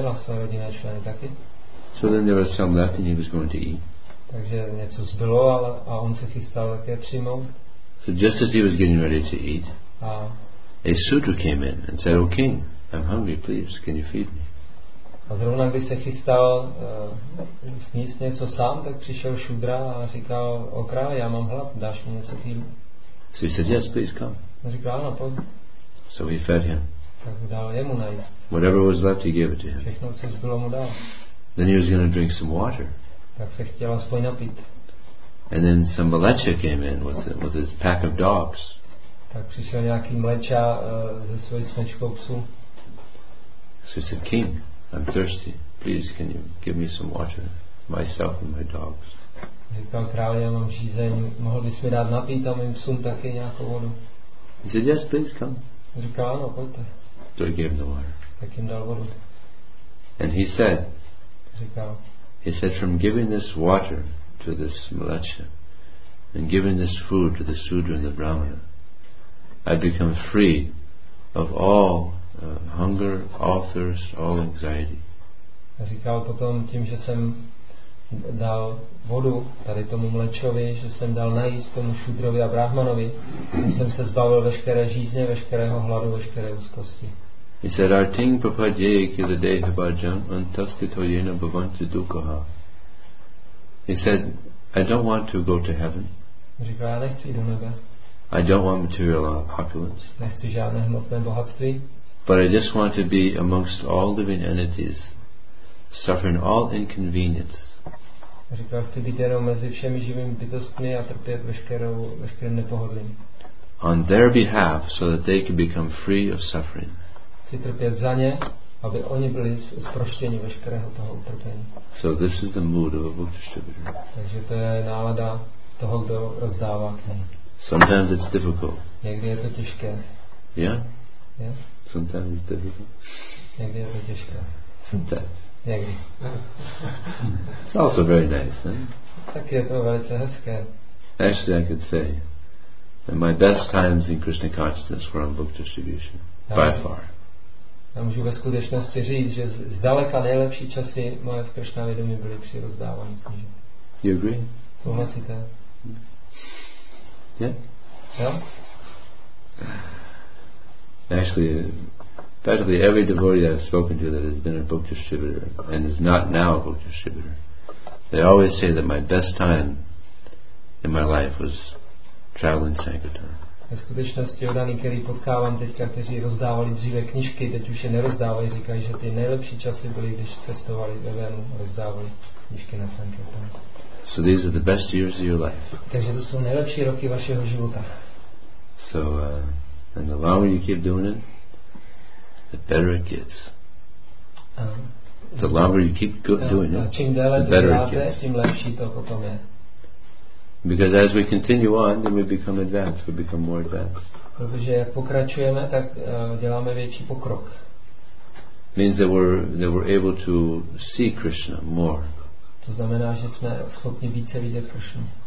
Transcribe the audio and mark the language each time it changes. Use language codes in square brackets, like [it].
[en] So then there was some left, and he was going to eat. So just as he was getting ready to eat, a sutra came in and said, "Oh king, I'm hungry. Please, can you feed me?" [cs] A zrovna když se chystal sníst něco sám, tak přišel šudra a říkal, o králi, já mám hlad, dáš mi něco k jídlu? [en] So he said, "Yes, please come." [cs] A říkal, ano, pojď. [en] So he fed him. [cs] Tak mu dal jemu najíst. [en] Whatever was left, he gave it to him. [cs] Všechno, co zbylo, mu dal. [en] Then he was going to drink some water. [cs] Tak se chtěl aspoň napít. [en] And then some mlečka came in with his pack of dogs. [cs] Tak přišel nějaký mlečka se svojí smečkou psu. [en] So he said, "King, I'm thirsty. Please, can you give me some water? Myself and my dogs." [cs] Říkal králi, já mám žízeň. Mohl bys mi dát napít a mým psům taky nějakou vodu? [en] He said, "Yes, please, come." [cs] Říkal, ano, pojďte. [en] So he gave him the water. [cs] Tak jim dal vodu. [en] And he said, [cs] říkal, [en] he said, "From giving this water to this mlecha and giving this food to the sudra and the brahmana, I become free of all hunger, all thirst, all anxiety." [cs] Říkal potom tím, že jsem dal vodu tady tomu mlečovi, že jsem dal najíst tomu šudrovi a brahmanovi, jsem se zbavil veškeré žízně, veškerého hladu, veškeré úzkosti. [en] He said, [sa] "Arting papadjeje kila deha bhajam antastito jena bhavanti dukaha." [en] He said, "I don't want to go to heaven." [cs] Říkal, já nechci jít do nebe. [en] "I don't want material opulence." [cs] Nechci žádné hmotné bohatství. [en] "But I just want to be amongst all living entities, suffering all inconvenience." [cs] Říkal, chci být jenom mezi všemi živými bytostmi a trpět veškerým nepohodlím. [en] "On their behalf, so that they can become free of suffering." [cs] Chci trpět za ně, aby oni byli zproštěni veškerého toho utrpení. [en] So this is the mood of a book distributor. [cs] Takže to je nálada toho, kdo rozdává knihy. [en] Sometimes it's difficult. [cs] Někdy je to těžké. [en] Yeah? Yeah? Sometimes it's difficult. [cs] Někdy je to těžké. [en] Sometimes. [cs] Někdy. [en] It's also very nice, eh? [cs] Tak je to velice hezké. [en] Actually, I could say that my best times in Krishna consciousness were on book distribution, by far. [cs] Já můžu ve skutečnosti říct, že zdaleka nejlepší časy moje v Krishna vědomí byly při rozdávání knížek. [en] You agree? [cs] Souhlasíte? [en] Yeah? [cs] Jo? [en] Actually, practically every devotee I've spoken to that has been a book distributor and is not now a book distributor, they always say that my best time in my life was traveling Sankirtan. [cs] ve skutečnosti odaní, který potkávám teďka, kteří rozdávali dříve knižky, teď už je nerozdávají, říkají, že ty nejlepší časy byly, když cestovali ve Venu, rozdávali knižky na Sankirtan. [en] So these are the best years of your life. [cs] Takže to jsou nejlepší roky vašeho života. [en] So and the longer you keep doing it, the better it gets. The longer you keep doing it, the better it gets. [cs] Tím lepší to potom je. [en] Because as we continue on, then we become advanced. We become more advanced. [cs] Protože jak pokračujeme, tak děláme větší pokrok. [en] Means that we're able to see Krishna more. [cs] To znamená, že jsme schopni více vidět Krishnu.